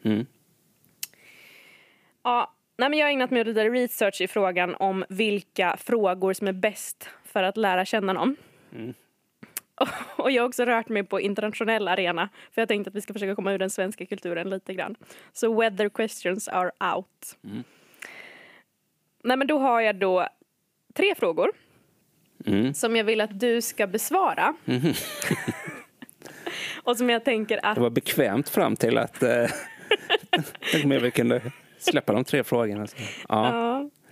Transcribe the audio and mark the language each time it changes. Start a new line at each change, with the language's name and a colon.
Swedish: Mm. Ja, nej, men jag har ägnat mig åt lite research i frågan om vilka frågor som är bäst för att lära känna någon. Mm. Och jag har också rört mig på internationell arena. För jag tänkte att vi ska försöka komma ur den svenska kulturen lite grann. Så
English: weather questions are out. Mm.
Swedish: Nej, men då har jag då tre frågor. Mm. Som jag vill att du ska besvara. Mm. Och som jag tänker att... Det var bekvämt fram till att... tänk mig vi kunde släppa de tre frågorna. Ja.